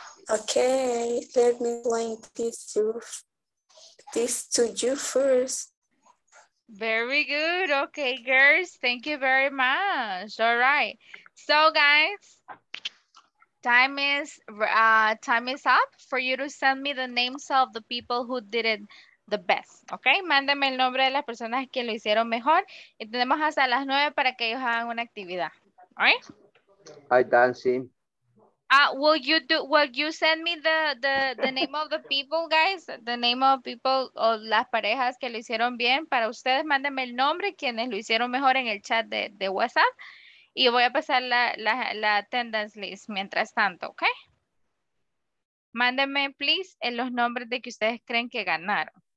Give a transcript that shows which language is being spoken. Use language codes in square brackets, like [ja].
[en] Okay, let me link this to you first. Very good. Okay, girls, thank you very much. All right, so guys, time is up for you to send me the names of the people who did it the best. [es] Okay, mándame el nombre de las personas que lo hicieron mejor y tenemos hasta las 9 para que ellos hagan una actividad. [en] All right, I dancing. Will you do, will you send me the name of the people, guys? The name of people [es] o las parejas que lo hicieron bien. Para ustedes, mándenme el nombre, quienes lo hicieron mejor en el chat de WhatsApp. Y voy a pasar la attendance list mientras tanto, ¿ok? Mándenme, please, en los nombres de que ustedes creen que ganaron.